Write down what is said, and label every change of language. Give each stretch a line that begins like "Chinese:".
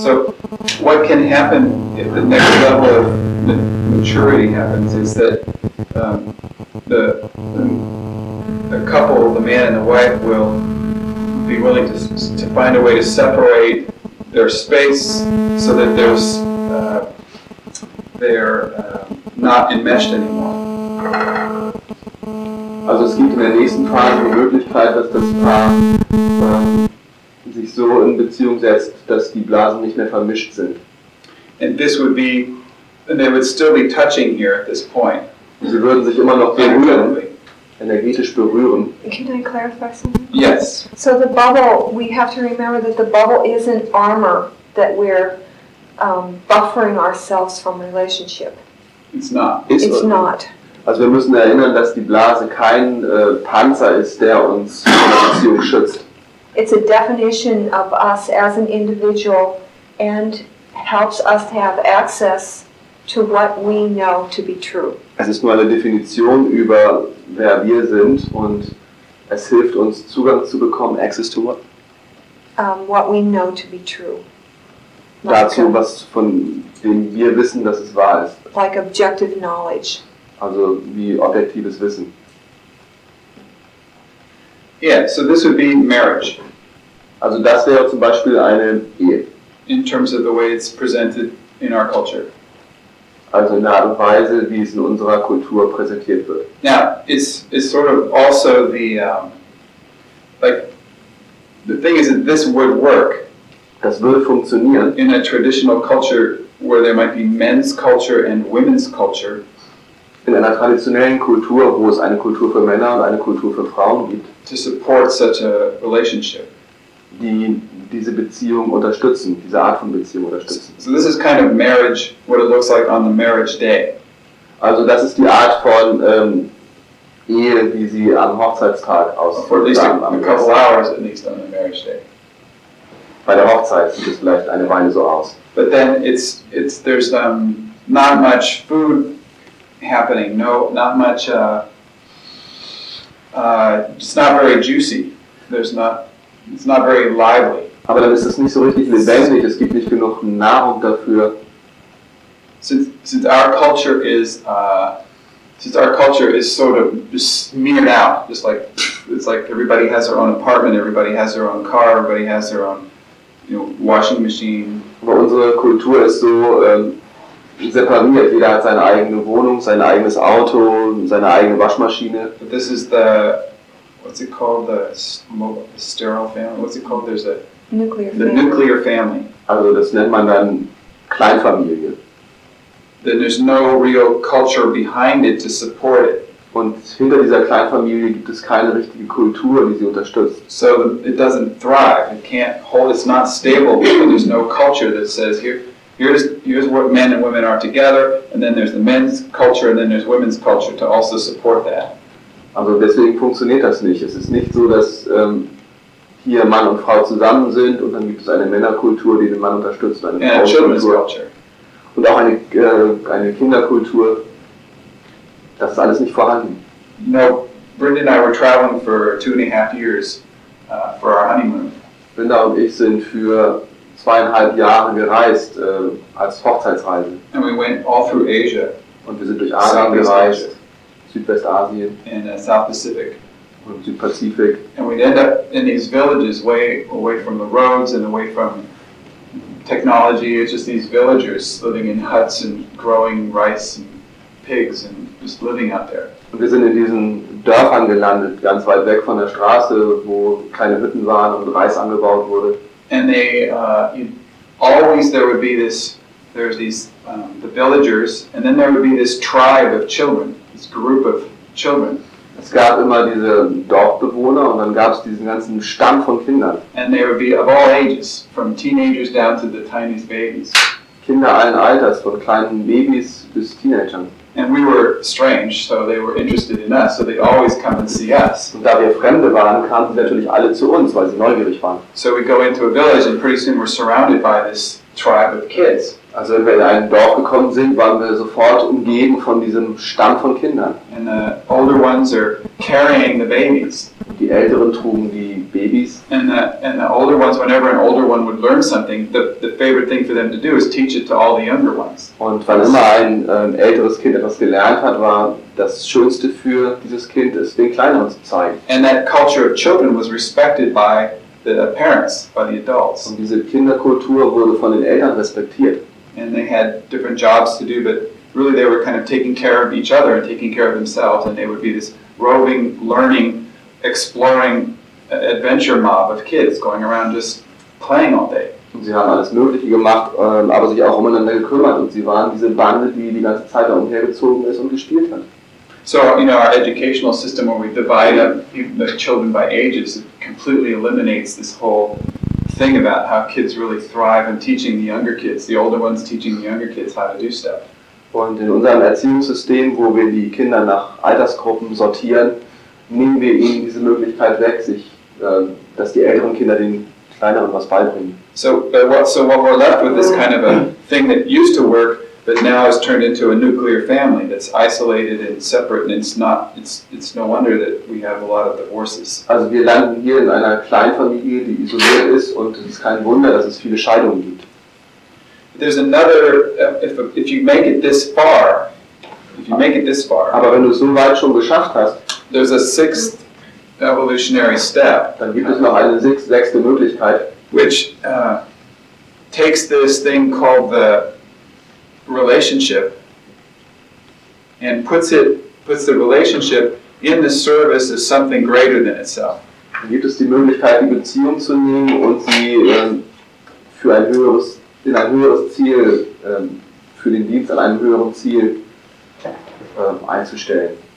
English: So what can happen if the next level of maturity happens is that the couple, the man and the wife, will be willing to find a way to separate their space so that there's they're not enmeshed anymore.
German: Also es gibt in der nächsten Phase die Möglichkeit, dass das Paar sich so in Beziehung setzt, dass die Blasen nicht mehr vermischt sind.
English: And this would be, and they would still be touching here at this point.
German: Sie würden sich immer noch berühren, energetisch berühren.
English: Can I clarify something? Yes. So the bubble, we have to remember that the bubble isn't armor that we're buffering ourselves from relationship. It's not. It's not.
German: Also wir müssen erinnern, dass die Blase kein Panzer ist, der uns von der Beziehung schützt.
English: It's a definition of us as an individual and helps us to have access to what we know to be true.
German: Es ist nur eine Definition über wer wir sind und es hilft uns Zugang zu bekommen,
English: access to what? What we know to be true.
German: Like dazu, was von dem wir wissen, dass es wahr ist.
English: Like objective knowledge.
German: Also wie objektives Wissen.
English: Yeah, so this would be marriage.
German: Also das wäre zum Beispiel eine Ehe.
English: In terms of the way it's presented in our culture.
German: Also in der Art und Weise, wie es in unserer Kultur präsentiert wird.
English: Now, it's sort of also the, like, the thing is that this would work.
German: Das würde funktionieren.
English: In a traditional culture where there might be men's culture and women's culture.
German: In einer traditionellen Kultur, wo es eine Kultur für Männer und eine Kultur für Frauen gibt.
English: To support such a relationship.
German: Die diese Beziehung unterstützen, diese Art von Beziehung unterstützen.
English: So this is kind of marriage, what it looks like on the marriage day.
German: Also das ist die Art von Ehe, wie sie am Hochzeitstag aussieht.
English: For at least a couple hours at least on the marriage day.
German: Bei der Hochzeit sieht es vielleicht eine Weile so aus.
English: But then it's there's not much food happening, no, not much, it's not very juicy, there's not, it's not very lively.
German: Aber dann ist es nicht so richtig lebendig, es gibt nicht genug Nahrung dafür.
English: Since our culture is, sort of smeared out, just like, it's like everybody has their own apartment, everybody has their own car, everybody has their own, you know, washing machine.
German: Aber unsere Kultur ist so, separiert. Jeder hat seine eigene Wohnung, sein eigenes Auto, seine eigene Waschmaschine.
English: But this is the, what's it called, the sterile family? What's it called? There's a nuclear family.
German: Also das nennt man dann Kleinfamilie.
English: Then there's no real culture behind it to support it.
German: Und hinter dieser Kleinfamilie gibt es keine richtige Kultur, die sie unterstützt.
English: So it doesn't thrive. It can't hold. It's not stable because there's no culture that says here. Here's what men and women are together, and then there's the men's culture, and then there's women's culture to also support that.
German: Also deswegen funktioniert das nicht. Es ist nicht so, dass hier Mann und Frau zusammen sind und dann gibt es eine Männerkultur, die den Mann unterstützt, eine
English: Frauenkultur. And a children's culture.
German: Und auch eine Kinderkultur. Das ist alles nicht vorhanden.
English: No, Brenda and I were traveling for 2.5 years for our honeymoon.
German: Brenda und ich sind für 2.5 Jahre gereist als Hochzeitsreise.
English: And we went all through Asia.
German: Und wir sind durch Asien gereist, Südwestasien.
English: And South Pacific. the Pacific. And we'd end up in these villages way away from the roads and away from technology. It's just these villagers living in huts and growing rice and pigs and just living out there.
German: Und wir sind in diesen Dörfern gelandet, ganz weit weg von der Straße, wo keine Hütten waren und Reis angebaut wurde.
English: And they always there would be this, there's these the villagers, and then there would be this tribe of children, this group of children.
German: Es gab immer diese Dorfbewohner und dann gab es diesen ganzen Stamm von Kindern.
English: And they would be of all ages, from teenagers down to the tiniest babies.
German: Kinder allen Alters, von kleinen Babys bis Teenagern.
English: And we were strange, so they were interested in us, so they always come and see us.
German: Und da wir Fremde waren, kamen sie natürlich alle zu uns, weil sie neugierig waren.
English: So we go into a village and pretty soon we're surrounded by this tribe of kids.
German: Also wenn wir in ein Dorf gekommen sind, waren wir sofort umgeben von diesem Stamm von Kindern.
English: And the older ones are carrying the babies.
German: Und die Älteren trugen die Babys.
English: And the older ones, whenever an older one would learn something, the favorite thing for them to do is teach it to all the younger ones.
German: Und wann immer ein älteres Kind etwas gelernt hat, war das Schönste für dieses Kind, es den Kleineren zu zeigen.
English: And that culture of children was respected by the parents, by the adults.
German: Und diese Kinderkultur wurde von den Eltern respektiert.
English: And they had different jobs to do, but really they were kind of taking care of each other and taking care of themselves, and they would be this roving, learning, exploring adventure mob of kids going around just playing all day.
German: Und sie haben alles Mögliche gemacht, aber sich auch umeinander gekümmert, und sie waren diese Bande, die ganze Zeit da umhergezogen ist und gespielt hat.
English: So, you know, our educational system, where we divide up the children by ages, it completely eliminates this whole thing about how kids really thrive and teaching the younger kids, the older ones teaching the younger kids how to do stuff.
German: Und in unserem Erziehungssystem, wo wir die Kinder nach Altersgruppen sortieren, nehmen wir ihnen diese Möglichkeit weg, dass die älteren Kinder den kleineren was beibringen.
English: So what we're left with is kind of a thing that used to work, but now has turned into a nuclear family that's isolated and separate, and it's no wonder that we have a lot of divorces.
German: Also wir landen hier in einer Kleinfamilie, die isoliert ist, und es ist kein Wunder, dass es viele Scheidungen gibt.
English: There's another, if you make it this far,
German: aber wenn du es so weit schon geschafft hast,
English: there's a sixth evolutionary step,
German: dann gibt es noch eine sechste Möglichkeit,
English: which takes this thing called the relationship and puts the relationship in the service of something greater than itself.
German: Dann gibt es die Möglichkeit, die Beziehung zu nehmen und sie für den Dienst an einem höheren Ziel einzustellen.